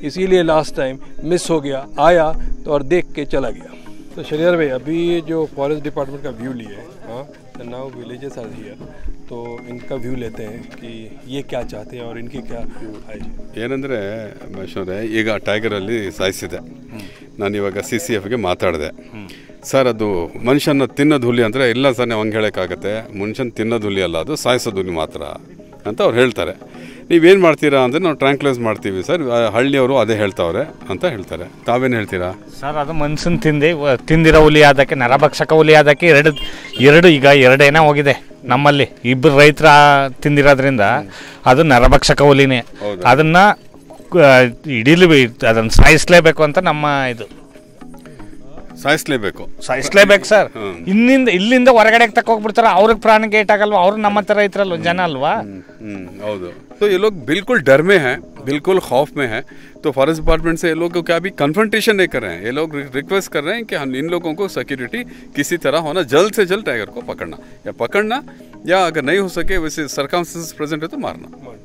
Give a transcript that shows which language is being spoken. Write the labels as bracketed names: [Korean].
[Hindi] इसीलिए last time miss हो गया, आया तो और देख के चला गया. तो शरियर भाई, अभी जो फॉरेस्ट डिपार्टमेंट का व्यू लिया है, हाँ, [English] now villages are here, [Hindi] तो इनका व्यू लेते हैं कि ये क्या चाहते हैं और इनके क्या [Kannada] ಏನಂದ್ರೆ ಮಶೋರೆ ಈಗ ಟೈಗರ್ ಅಲ್ಲಿ ಸಾಯಿಸಿದೆ. ನಾನು ಇವಾಗ CCF ಗೆ ಮಾತಾಡಿದೆ. ಸರ್, ಅದು ಮನುಷ್ಯನ ತಿನ್ನೋದು ಹುಲಿ ಅಂದರೆ ಇಲ್ಲ ಸರ್, ನೀವು ಹಂಗೆ ಹೇಳೋಕ್ಕಾಗತ್ತೆ, ಮನುಷ್ಯನ ತಿನ್ನೋದು ಹುಲಿ ಅಲ್ಲ, ಅದು ಸಾಯಿಸೋದು ಹುಲಿ ಮಾತ್ರ ಅಂತ ಅವ್ರು ಹೇಳ್ತಾರೆ. ನೀವೇನು ಮಾಡ್ತೀರಾ ಅಂದರೆ, ನಾವು ಟ್ರಾಂಕ್ಲೈಸ್ ಮಾಡ್ತೀವಿ ಸರ್, ಹಳ್ಳಿಯವರು ಅದೇ ಹೇಳ್ತಾವ್ರೆ ಅಂತ ಹೇಳ್ತಾರೆ. ತಾವೇನು ಹೇಳ್ತೀರಾ ಸರ್? ಅದು ಮನ್ಸನ್ನು ತಿಂದಿರೋ ಹುಲಿ, ಅದಕ್ಕೆ ನರಭಕ್ಷಕ ಹುಲಿ, ಅದಕ್ಕೆ ಎರಡು ಈಗ ಎರಡೇನ ಹೋಗಿದೆ ನಮ್ಮಲ್ಲಿ. ಇಬ್ಬರು ರೈತರ ತಿಂದಿರೋದ್ರಿಂದ ಅದು ನರಭಕ್ಷಕ ಹುಲಿನೇ, ಅದನ್ನು ಹಿಡಿಲೇಬೇಕು, ಅದನ್ನು ಸಾಯಿಸ್ಲೇಬೇಕು ಅಂತ ನಮ್ಮ ಇದು. ಸಾಯಿಸ್ಲೇಬೇಕು ಸರ್. ಇನ್ನಿಂದ ಇಲ್ಲಿಂದ ಹೊರಗಡೆ ತಕ್ಕ ಹೋಗ್ಬಿಡ್ತಾರ, ಅವ್ರಿಗೆ ಪ್ರಾಣಕ್ಕೆ ಏಟಾಗಲ್ವ? ಅವ್ರು ನಮ್ಮ ಹತ್ರ ಇದ್ರಲ್ವ ಜನ ಅಲ್ವಾ? ಹೌದು. [Hindi] तो ये लोग बिल्कुल डर में हैं, बिल्कुल खौफ में हैं. तो फॉरेस्ट डिपार्टमेंट से ये लोग क्या अभी कन्फ्रंटेशन नहीं कर रहे हैं? ये लोग रिक्वेस्ट कर रहे हैं कि हम इन लोगों को सिक्योरिटी किसी तरह होना, जल्द से जल्द टाइगर को पकड़ना, या अगर नहीं हो सके वैसे सरकमस्टेंसेस प्रेजेंट है तो मारना.